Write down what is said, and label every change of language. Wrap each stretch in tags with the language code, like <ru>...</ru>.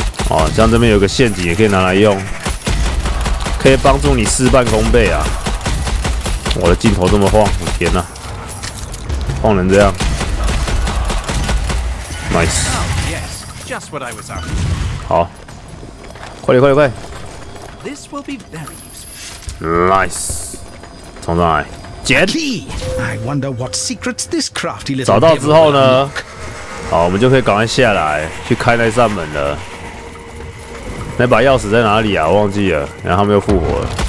<zh>哦，像这边有个陷阱也可以拿来用，可以帮助你事半功倍啊！我的镜头这么晃，我天哪、啊，晃成这样 ，nice。好，快点快点快 ！</zh> <en>This will be very useful. Nice，</en> <zh>冲上来，捡</zh> <en>！I wonder what secrets this crafty little</en> <zh>找到之后呢？好，我们就可以赶快下来去开那扇门了。那把钥匙在哪里啊？我忘记了。然后他们又复活了。</zh>